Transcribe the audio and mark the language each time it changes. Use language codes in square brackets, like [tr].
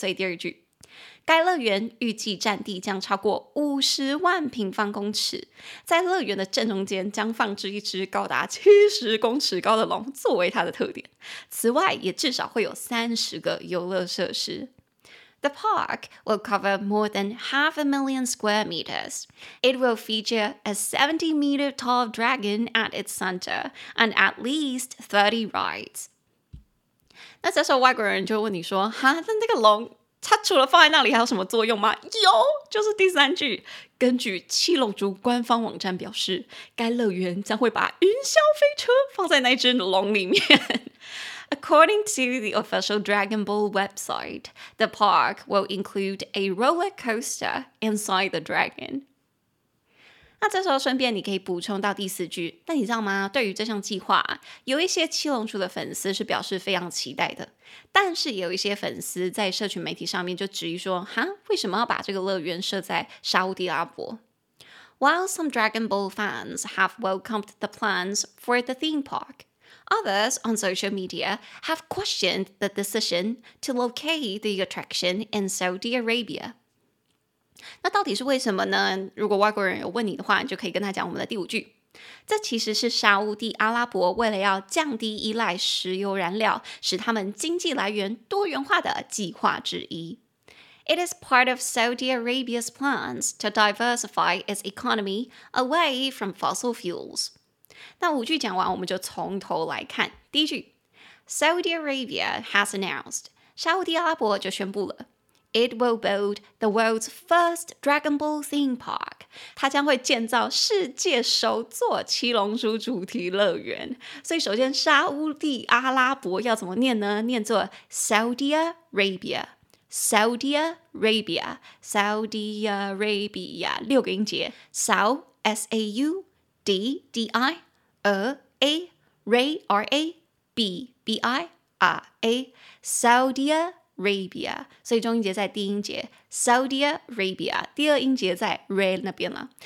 [zh] 所以第二句，该乐园预计占地将超过50万平方公尺，在乐园的正中间将放置一只高达70公尺高的龙作为它的特点，此外也至少会有30个游乐设施。 [en] The park will cover more than 500,000 square meters. It will feature a 70-meter-tall dragon at its center and at least 30 rides. [zh] 那这时候外国人就问你说，哈，那这个龙它除了放在那里还有什么作用吗？有，就是第三句。根据七龙珠官方网站表示，该乐园将会把云霄飞车放在那只龙里面。 [en] According to the official Dragon Ball website, the park will include a roller coaster inside the dragon. [zh] 那这时候顺便你可以补充到第四句，但你知道吗？对于这项计划，有一些七龙珠的粉丝是表示非常期待的，但是有一些粉丝在社群媒体上面就质疑说，哈，为什么要把这个乐园设在沙烏地阿拉伯？ [en] While some Dragon Ball fans have welcomed the plans for the theme park,Others on social media have questioned the decision to locate the attraction in Saudi Arabia. [zh] 那到底是为什么呢？如果外国人有问你的话，你就可以跟他讲我们的第五句。这其实是沙烏地阿拉伯为了要降低依赖石油燃料，使他们经济来源多元化的计划之一。 [en] It is part of Saudi Arabia's plans to diversify its economy away from fossil fuels. [zh] 那五句讲完，我们就从头来看。第一句 ， [en] Saudi Arabia has announced， [zh] 沙烏地阿拉伯就宣布了。 [en] It will build the world's first Dragon Ball theme park. [zh] 它将会建造世界首座七龙珠主题乐园。所以首先沙烏地阿拉伯要怎么念呢？念作 [en] Saudi Arabia. Saudi Arabia. Saudi Arabia. [zh] 六个音节 [en] Sau, S-A-U, D-D-I, A, Ray, R-A, B-B-I, R-A, Saudi Arabia, [zh] 所以中音节在第一音节 [en] Saudi Arabia, 第二音节在 Ray 那边了。